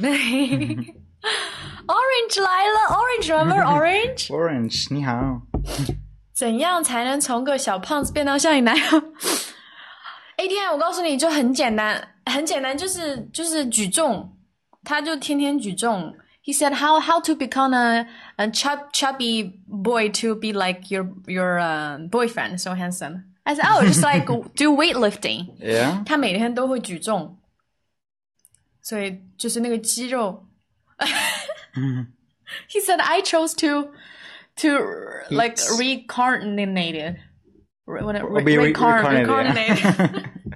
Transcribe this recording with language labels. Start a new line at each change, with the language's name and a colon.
English: Orange
Chinese: 来了，
English: Orange remember Orange?
Chinese: Orange，你好。怎样才能从个小胖子变到像你男友 ？ADM，我告诉你就很简单，很简单，就是举重，他就天天举重。
English: He said how to become a chubby boy to be like your boyfriend so handsome. I said, oh, just like do weightlifting. Yeah，
Chinese: 他每天都会举重，所以就是那个肌肉。
English: He said, "I chose to like reincarnated. Reincarnated.